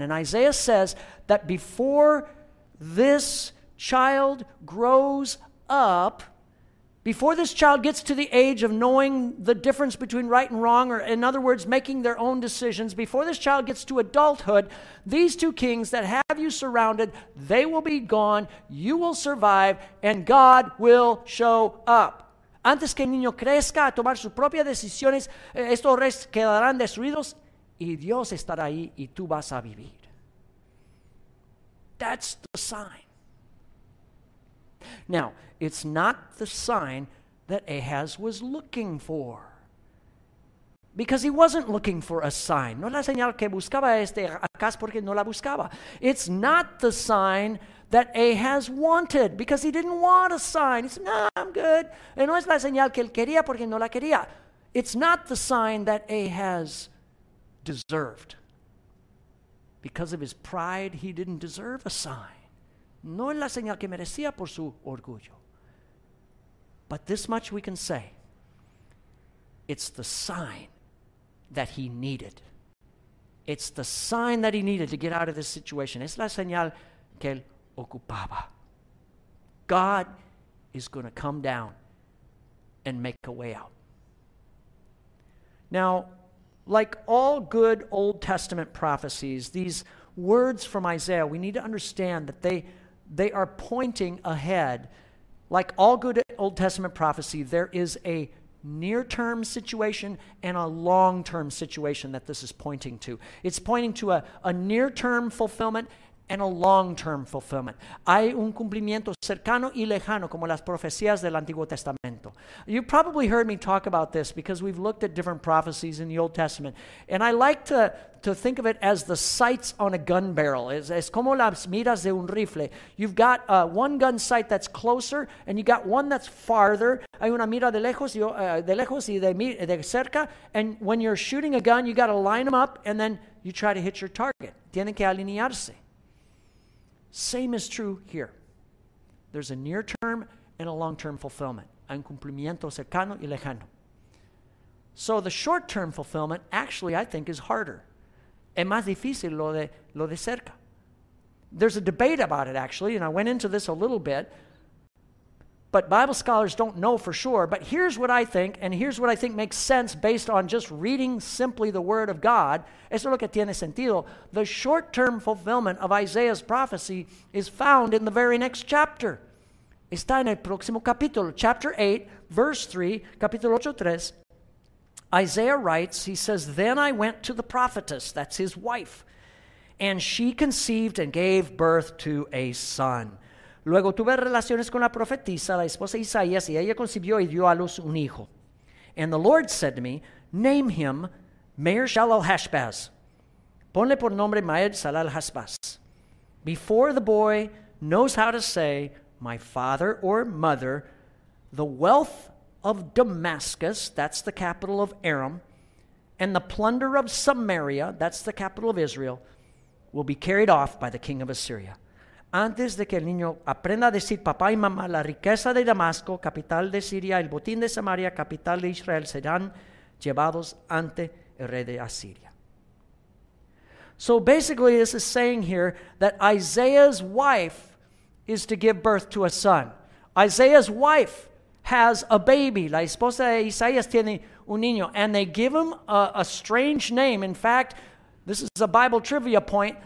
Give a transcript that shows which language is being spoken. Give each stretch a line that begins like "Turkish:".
English: And Isaiah says that before this child grows up, before this child gets to the age of knowing the difference between right and wrong, or in other words, making their own decisions, before this child gets to adulthood, these two kings that have you surrounded, they will be gone, you will survive, and God will show up.
Spanish: Antes que el niño crezca a tomar sus propias decisiones, estos reyes quedarán destruidos, y Dios estará ahí, y tú vas a vivir.
English: That's the sign. Now, it's not the sign that Ahaz was looking for, because he wasn't looking for a sign.
Spanish: No la señal que buscaba este Acaz porque no la buscaba.
English: It's not the sign that Ahaz wanted, because he didn't want a sign. He said, no, I'm good.
Spanish: Y no es la señal que él quería porque no la quería.
English: It's not the sign that Ahaz deserved. Because of his pride, he didn't deserve a sign.
Spanish: No es la señal que merecía por su orgullo.
English: But this much we can say. It's the sign that he needed. It's the sign that he needed to get out of this situation.
Spanish: Es la señal que él ocupaba.
English: God is going to come down and make a way out. Now, like all good Old Testament prophecies, these words from Isaiah, we need to understand that they are pointing ahead. Like all good Old Testament prophecy, there is a near-term situation and a long-term situation that this is pointing to. It's pointing to a near-term fulfillment and a long-term fulfillment.
Spanish: Hay un cumplimiento cercano y lejano como las profecías del Antiguo Testamento.
English: You probably heard me talk about this because we've looked at different prophecies in the Old Testament. And I like to think of it as the sights on a gun barrel.
Spanish: Es como las miras de un rifle.
English: You've got one gun sight that's closer and you got one that's farther.
Spanish: Hay una mira de lejos y de cerca.
English: And when you're shooting a gun, you got to line them up and then you try to hit your target.
Spanish: Tienen que alinearse.
English: Same is true here. There's a near-term and a long-term fulfillment.
Spanish: Un cumplimiento cercano y lejano.
English: So the short-term fulfillment, actually, I think, is harder.
Spanish: Es más difícil lo de cerca.
English: There's a debate about it, actually, and I went into this a little bit. But Bible scholars don't know for sure. But here's what I think, and here's what I think makes sense based on just reading simply the Word of God.
Spanish: Eso es lo que tiene sentido.
English: The short-term fulfillment of Isaiah's prophecy is found in the very next chapter.
Spanish: Está en el próximo capítulo.
English: Chapter 8, verse 3,
Spanish: capítulo 8, 3.
English: Isaiah writes, he says, "Then I went to the prophetess," that's his wife, "and she conceived and gave birth to a son."
Spanish: Luego tuve relaciones con la profetisa, la esposa de Isaías, y ella concibió y dio a luz un hijo.
English: "And the Lord said to me, name him Meir Shalal Hashbaz."
Spanish: Ponle por nombre
English: Meir Shalal Hashbaz. "Before the boy knows how to say, my father or mother, the wealth of Damascus," that's the capital of Aram, "and the plunder of Samaria," that's the capital of Israel, will be carried off by the king of Assyria.
Spanish: Antes de que el niño aprenda a decir papá y mamá, la riqueza de Damasco, capital de Siria, el botín de Samaria, capital de Israel, serán llevados ante el rey de Asiria.
English: So basically this is saying here that Isaiah's wife is to give birth to a son. Isaiah's wife has a baby.
Spanish: La esposa de Isaías tiene un niño.
English: And they give him a strange name. In fact, this is a Bible trivia point.